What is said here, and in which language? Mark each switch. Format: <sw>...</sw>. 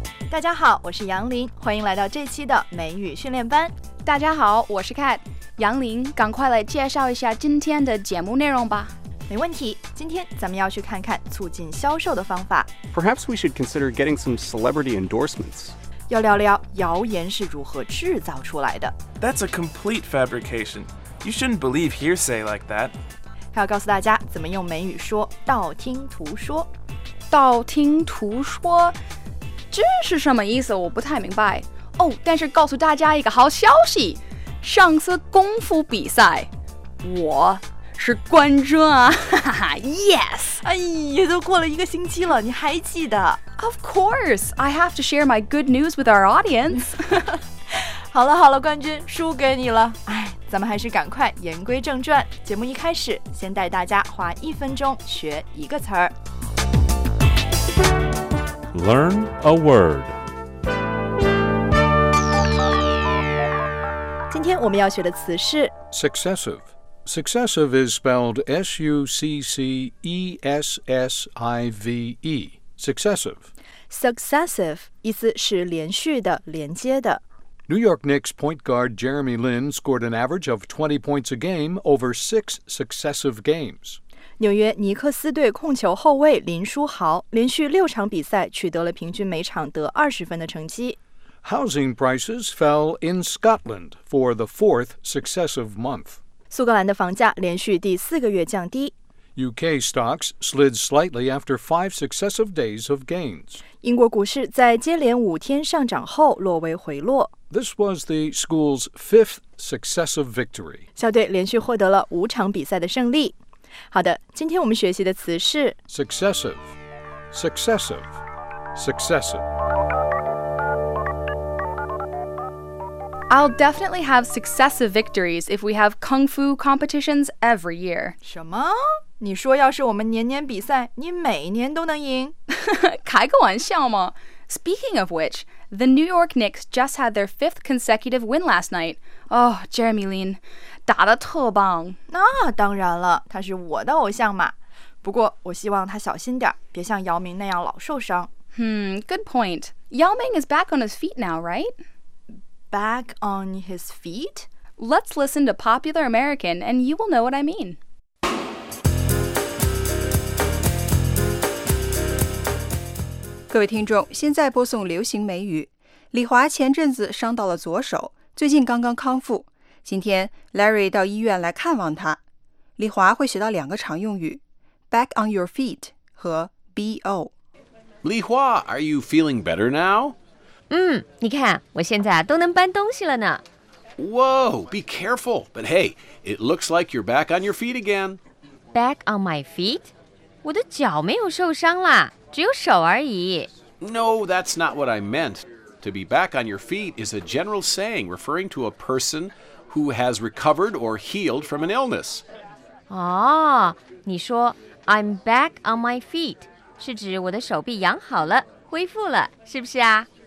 <zh>大家好，我是杨林，欢迎来到这期的美语训练班。大家好，我是 Kat。杨林，赶快来介绍一下今天的节目内容吧。没问题，今天咱们要去看看促进销售的方法。</zh> <en>Perhaps we should consider getting some celebrity endorsements.</en> <zh>要聊聊谣言是如何制造出来的。</zh> <en>That's a complete fabrication. You shouldn't believe hearsay like that.</en> <zh>还要告诉大家怎么用美语说道听途说。道听途说这是什么意思？我不太明白。哦，但是告诉大家一个好消息，上次功夫比赛我是冠军啊，哈哈 ，Yes！哎呀，都过了一个星期了，你还记得</zh> <en>？Of course, I have to share my good news with our audience.</en> <zh>好了好了，冠军输给你了。哎，咱们还是赶快言归正传。节目一开始，先带大家花一分钟学一个词儿。</zh> <en>Learn a word.</en> <zh>今天我们要学的词是</zh> <en>successive. Successive is spelled S-U-C-C-E-S-S-I-V-E. Successive.</en> <zh>Successive 意思是连续的、连接的。</zh> <en>New York Knicks point guard Jeremy Lin scored an average of 20 points a game over six successive games.</en> <zh>纽约尼克斯队控球后卫林书豪连续六场比赛取得了平均每场得20分的成绩。</zh> <en>Housing prices fell in Scotland for the fourth successive month.</en> <zh>苏格兰的房价连续第四个月降低。</zh> <en>UK stocks slid slightly after five successive days of gains.</en> <zh>英国股市在接连五天上涨后略微回落。</zh> <en>This was the school's fifth successive victory.</en> <zh>校队连续获得了五场比赛的胜利。好的，今天我们学习的词是</zh> <en>successive, successive, successive. I'll definitely have successive victories if we have kung fu competitions every year.</en> <zh>什么？你说要是我们年年比赛，你每年都能赢？开个玩笑吗？</zh> <en>Speaking of which, the New York Knicks just had their fifth consecutive win last night. Oh, Jeremy Lin, 打得特棒。</en> <zh>那当然了，他是我的偶像嘛。不过我希望他小心点，别像姚明那样老受伤。</zh> <en>Good point. Yao Ming is back on his feet now, right? Back on his feet? Let's listen to Popular American and you will know what I mean. Good evening,</en> <zh>现在播送流行美语。李华前阵子伤到了左手，最近刚刚康复。今天 Larry 到医院来看望他。李华会学到两个常用语</zh> <en>back on your feet</en> <zh>和 BO.</zh> <en>李华, are you feeling better now?</en> <zh>你看我现在都能搬东西了呢。</zh> <en>Whoa, be careful. But hey, it looks like you're back on your feet again. Back on my feet?</en> <zh>我的脚没有受伤啦，只有手而已。</zh> <en>No, that's not what I meant. To be back on your feet is a general saying referring to a person who has recovered or healed from an illness.</en> <zh>哦，你说</zh> <en>I'm back on my feet</en> <zh>是指我的手臂养好了，恢复了，是不是啊？</zh>